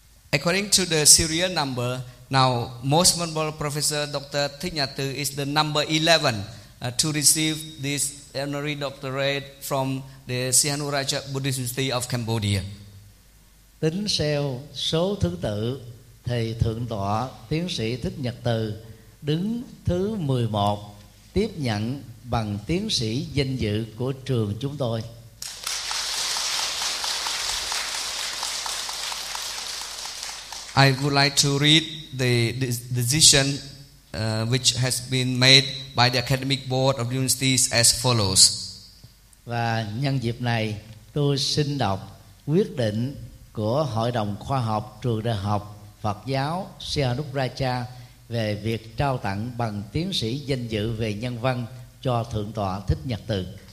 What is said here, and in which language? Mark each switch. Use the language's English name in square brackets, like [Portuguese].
[English] According to the serial number, now most honorable professor Dr. Thich Nhat Hanh is the number 11 to receive this honorary doctorate from the Sihanoukraja Buddhist University of Cambodia. [Vietnamese] Tính theo số thứ tự thì thượng tọa tiến sĩ Thích Nhật Từ đứng thứ 11 tiếp nhận bằng tiến sĩ danh dự của trường chúng tôi. [English] I would like to read the decision which has been made by the Academic Board of Universities as follows. [Vietnamese] Và nhân dịp này tôi xin đọc quyết định của Hội đồng Khoa học Trường Đại học Phật giáo Sihanoukraja về việc trao tặng bằng tiến sĩ danh dự về nhân văn cho Thượng tọa Thích Nhật Từ.